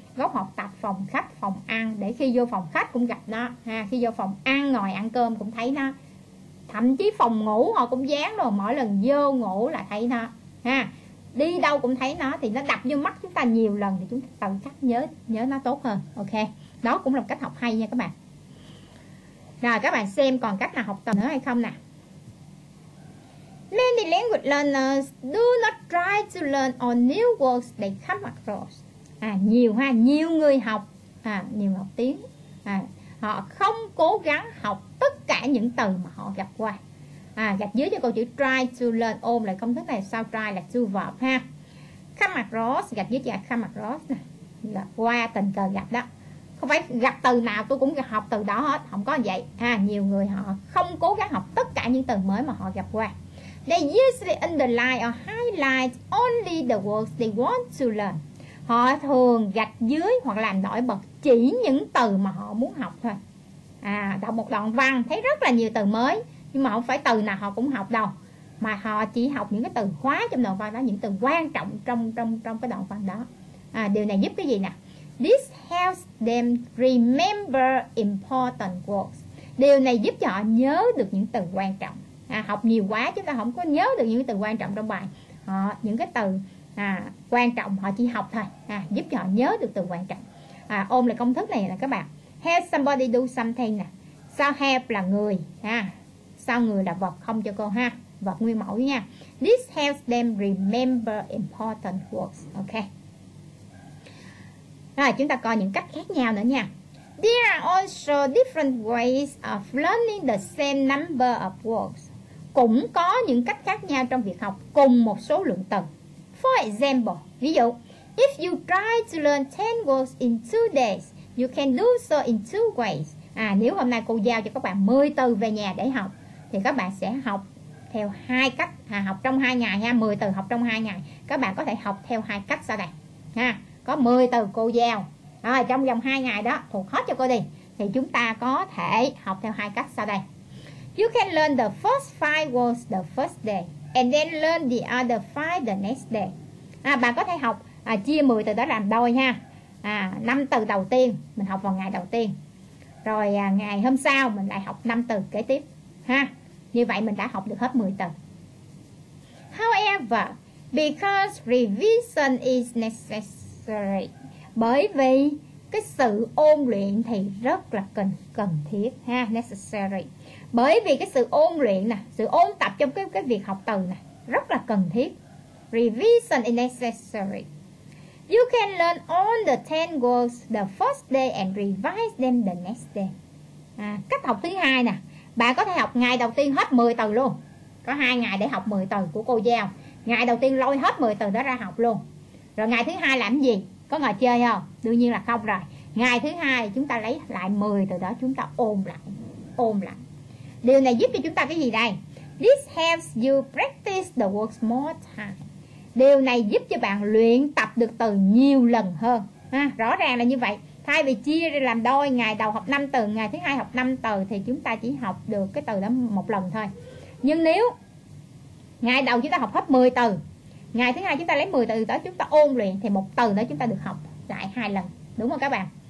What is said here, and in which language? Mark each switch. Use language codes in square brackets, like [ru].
[vi] góc học tập, phòng khách, phòng ăn, để khi vô phòng khách cũng gặp nó ha, khi vô phòng ăn ngồi ăn cơm cũng thấy nó, thậm chí phòng ngủ họ cũng dán rồi, mỗi lần vô ngủ là thấy nó ha, đi đâu cũng thấy nó, thì nó đập vô mắt chúng ta nhiều lần thì chúng ta tự khắc nhớ nó tốt hơn. Ok, đó cũng là một cách học hay nha các bạn. Rồi các bạn xem còn cách nào học tập nữa hay không nè. [en] Many language learners do not try to learn on new words they come across. [vi] À, nhiều ha, nhiều người học à, nhiều học tiếng à, họ không cố gắng học tất cả những từ mà họ gặp qua. À, gạch dưới cho câu chữ try to learn, ôm lại công thức này, sau try là to verb ha. Come across, gạch dưới chữ come across nè, là qua, tình cờ gặp đó. Không phải gặp từ nào tôi cũng học từ đó hết, không có vậy ha. Nhiều người họ không cố gắng học tất cả những từ mới mà họ gặp qua. They usually underline or highlight only the words they want to learn. Họ thường gạch dưới hoặc làm nổi bật chỉ những từ mà họ muốn học thôi. À, đọc một đoạn văn thấy rất là nhiều từ mới, nhưng mà không phải từ nào họ cũng học đâu, mà họ chỉ học những cái từ khóa trong đoạn văn đó, những từ quan trọng trong cái đoạn văn đó. À, điều này giúp cái gì nè? [en] This helps them remember important words. [vi] Điều này giúp cho họ nhớ được những từ quan trọng. À, học nhiều quá chúng ta không có nhớ được những từ quan trọng trong bài. Họ những cái từ quan trọng họ chỉ học thôi. À, giúp cho họ nhớ được từ quan trọng. À, ôm lại công thức này là các bạn. [en] Help somebody do something [vi] nè. Sao help là người ha. Sao người là vật không cho cô ha. Vật nguyên mẫu nha. [en] This helps them remember important words. [vi] Ok. Rồi chúng ta coi những cách khác nhau nữa nha. [en] There are also different ways of learning the same number of words. [vi] Cũng có những cách khác nhau trong việc học cùng một số lượng từ. [en] For example, [vi] ví dụ, [en] if you try to learn 10 words in 2 days, you can do so in 2 ways. [vi] À, nếu hôm nay cô giao cho các bạn 10 từ về nhà để học, thì các bạn sẽ học theo hai cách, à, học trong 2 ngày ha, 10 từ học trong 2 ngày. Các bạn có thể học theo hai cách sau đây ha. Có 10 từ cô giao rồi, trong vòng 2 ngày đó thuộc hết cho cô đi, thì chúng ta có thể học theo hai cách sau đây. [en] You can learn the first 5 words the first day and then learn the other 5 the next day. [vi] À, bạn có thể học chia 10 từ đó làm đôi ha. À, 5 từ đầu tiên mình học vào ngày đầu tiên. Rồi ngày hôm sau mình lại học 5 từ kế tiếp ha. Như vậy mình đã học được hết 10 từ. [en] However, because revision is necessary. [vi] Bởi vì cái sự ôn luyện thì rất là cần thiết ha, necessary. Bởi vì cái sự ôn luyện nè, sự ôn tập trong cái việc học từ nè, rất là cần thiết. [en] Revision is necessary. You can learn all the 10 words the first day and revise them the next day. [vi] À, cách học thứ hai nè, bạn có thể học ngày đầu tiên hết 10 từ luôn. Có 2 ngày để học 10 từ của cô giao. Ngày đầu tiên lôi hết 10 từ đó ra học luôn. Rồi ngày thứ hai làm gì? Có ngồi chơi không? Đương nhiên là không rồi. Ngày thứ hai chúng ta lấy lại 10 từ đó, chúng ta ôm lại. Điều này giúp cho chúng ta cái gì đây? [en] This helps you practice the words more time. [vi] Điều này giúp cho bạn luyện tập được từ nhiều lần hơn. À, rõ ràng là như vậy. Thay vì chia ra làm đôi, ngày đầu học 5 từ, ngày thứ hai học 5 từ, thì chúng ta chỉ học được cái từ đó một lần thôi. Nhưng nếu ngày đầu chúng ta học hết 10 từ, ngày thứ hai chúng ta lấy 10 từ đó chúng ta ôn luyện, thì một từ đó chúng ta được học lại 2 lần. Đúng không các bạn?